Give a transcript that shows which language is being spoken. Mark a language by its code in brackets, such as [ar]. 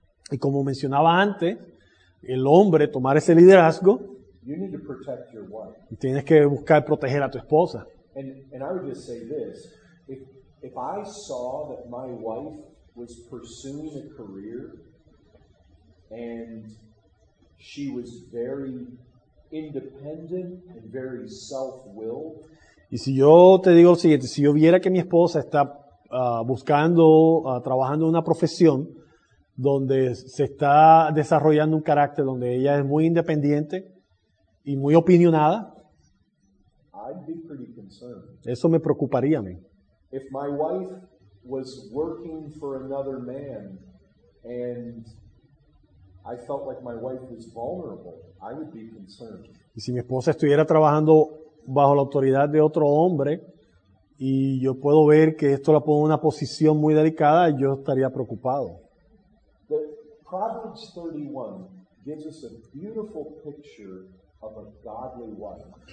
[es] Y como mencionaba antes, el hombre tomar ese liderazgo, [en] you need to protect your wife. [es] Y tienes que buscar proteger a tu esposa. [en] And I would just say this, if I saw that my wife was pursuing a career and she was very independent and very self-willed. [es] Y si yo te digo lo siguiente, si yo viera que mi esposa está buscando, trabajando en una profesión donde se está desarrollando un carácter donde ella es muy independiente y muy opinionada, [en] I'd be pretty concerned. [es] Eso me preocuparía a mí. [en] If my wife was working for another man and I felt like my wife was vulnerable, I would be concerned. [es] Y si mi esposa estuviera trabajando bajo la autoridad de otro hombre y yo puedo ver que esto la pone en una posición muy delicada, yo estaría preocupado. [en] The Proverbs 31 gives us a beautiful picture of a godly wife.